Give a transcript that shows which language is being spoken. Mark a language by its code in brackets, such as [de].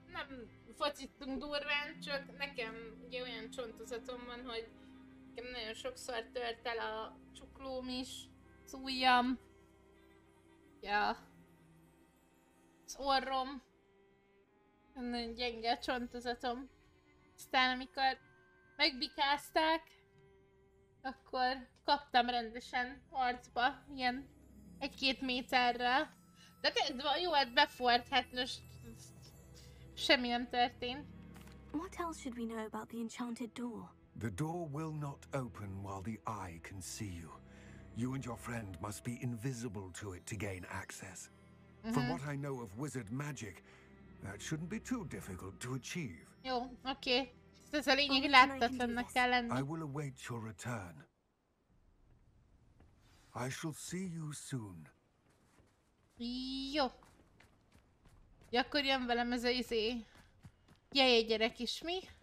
[hu] Nem focisztunk durván, csak nekem ugye olyan csontozatom van, hogy nekem nagyon sokszor tört el a csuklóm is, az ujjam, ja, az orrom, nagyon gyenge a csontozatom. Aztán amikor megbikázták, akkor kaptam rendesen arcba, ilyen egy-két méterrel. De jó, hát befort, hát most semmi nem történt. [en] What else should we know about the enchanted door? The door will not open while the eye can see you. You and your friend must be invisible to it to gain access. Mm-hmm. From what I know of wizard magic, that shouldn't be too difficult to achieve. [hu] Jó, oké. Okay. Ez a lényeg, láthatatlannak kell lenni. [en] I will await your return. I shall see you soon. [hu] Jó. Ja, akkor jön velem ez a izé. Jaj, egy gyerek is, mi?